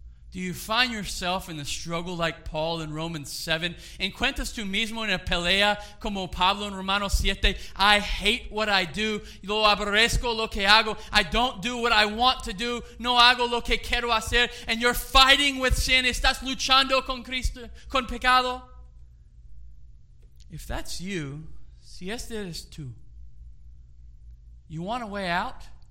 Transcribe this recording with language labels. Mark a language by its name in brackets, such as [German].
[English] Do you find yourself in the struggle like Paul in Romans 7? [Spanish] ¿Encuentras tú mismo en la pelea como Pablo en Romanos 7? [English] I hate what I do. [Spanish] Lo aborrezco lo que hago. [English] I don't do what I want to do. [Spanish] No hago lo que quiero hacer. [English] And you're fighting with sin. [Spanish] ¿Estás luchando con Cristo, con pecado? [English] If that's you, [Spanish] si este eres tú, [English] you want a way out?